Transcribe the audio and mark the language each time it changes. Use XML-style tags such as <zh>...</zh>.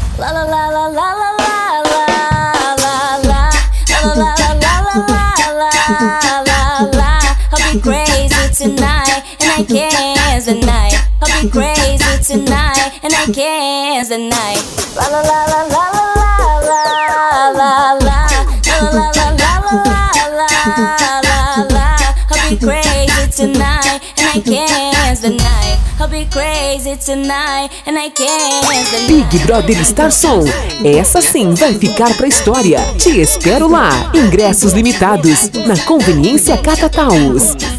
<en>La la la la la la la la la la la la la la la la la la la la. I'll be crazy tonight and I can't deny. I'll be crazy tonight and I can't deny. La la la la la la la la la la la la la la la la la la la. I'll be crazy tonight and I can't deny. I'll be crazy tonight and I can't deny.</en> <pt>Big Brother Star Som, essa sim vai ficar pra história. Te espero lá. Ingressos limitados na Conveniência Catataus.</pt>